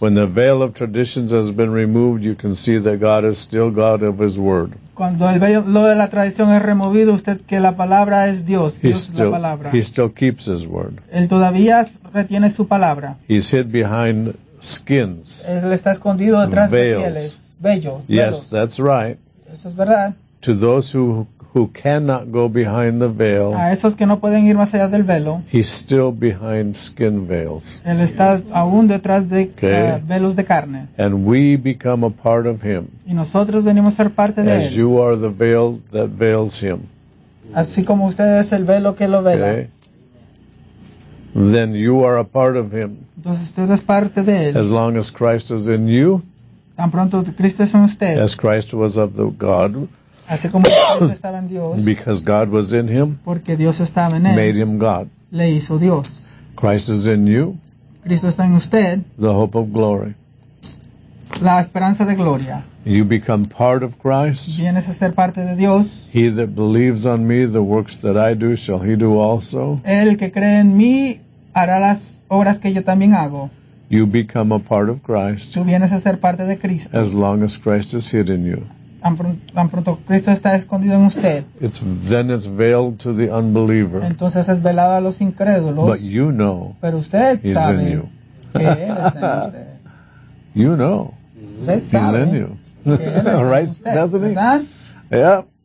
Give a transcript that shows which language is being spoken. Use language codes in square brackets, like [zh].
[en] When the veil of traditions has been removed, you can see that God is still God of His Word. [es] Cuando el velo de la tradición es removido, usted que la palabra es Dios. Dios [en] still, [es] la palabra. [en] He still keeps His Word. [es] Él todavía retiene su palabra. [en] He's hid behind. Skins. [es] Él está escondido detrás [en] veils. [es] De pieles. Bello. [en] Yes, [es] velos. [en] That's right. [es] Eso es verdad. [en] To those who cannot go behind the veil. [es] A esos que no pueden ir más allá del velo. [en] He's still behind skin veils. [es] Él está aún detrás de velos de carne. [en] And we become a part of him. [es] Y nosotros venimos a ser parte de él. [en] As you are the veil that veils him. [es] Así como usted es el velo que lo vela. [en] Okay. Then you are a part of him. [es] Entonces usted es parte de él. [en] As long as Christ is in you. [es] Tan pronto Cristo es en usted. [en] As Christ was of the God. [es] Así como Cristo estaba en Dios. [en] Because God was in him. [es] Porque Dios estaba en él. [en] Made him God. [es] Le hizo Dios. [en] Christ is in you. [es] Cristo está en usted. [en] The hope of glory. [es] La esperanza de gloria. [en] You become part of Christ. [es] Vienes a ser parte de Dios. [en] He that believes on me, the works that I do, shall he do also. [es] El que cree en mí hará las obras que yo también hago. [en] You become a part of Christ. [es] Tú vienes a ser parte de Cristo. [en] As long as Christ is hid in you. [es] Tan pronto Cristo está escondido en usted. [en] Then it's veiled to the unbeliever. [es] Entonces es velado a los incrédulos. [en] But you know. [es] Pero usted [en] he's [es] sabe. [en] In you. [es] Que él está en usted. [en] You know. He's in you. Right, Bethany? Yeah.